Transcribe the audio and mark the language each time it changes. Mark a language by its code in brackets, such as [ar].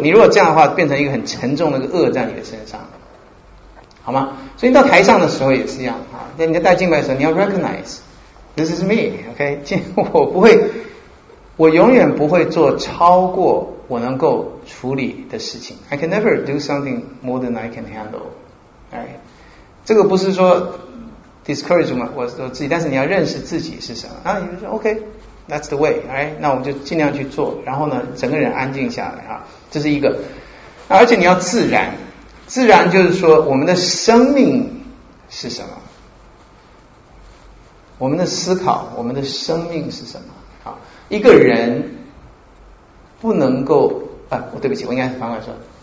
[zh] 你如果这样的话，变成一个很沉重的一个恶在你的身上，好吗？所以你到台上的时候也是一样啊，在你在带敬拜的时候，你要 recognize。 [en] This is me， [zh] OK， 我不会，我永远不会做超过我能够处理的事情。 [en] I can never do something more than I can handle， right？ [zh] 这个不是说 discourage 我自己，但是你要认识自己是什么。然后你就说 [en] OK， that's the way， right？ [zh] 那我就尽量去做，然后呢，整个人安静下来啊，这是一个。而且你要自然，自然就是说我们的生命是什么。我们的思考，我们的生命是什么？一个人不能够，对不起，我应该是反过来说，